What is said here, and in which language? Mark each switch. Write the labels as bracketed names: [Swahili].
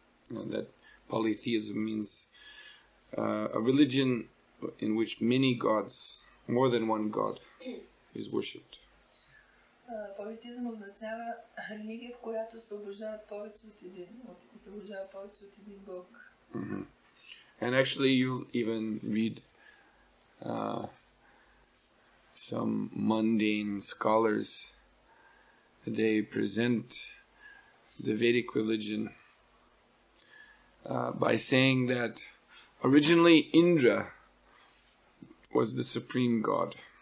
[English] That polytheism means a religion in which many gods, more than one god, is worshipped. [Bulgarian] Polytheism означава религия, в която се обожават повече от един, Бог. [English] And actually, you even read some mundane scholars, they present the Vedic religion by saying that originally Indra was the supreme god.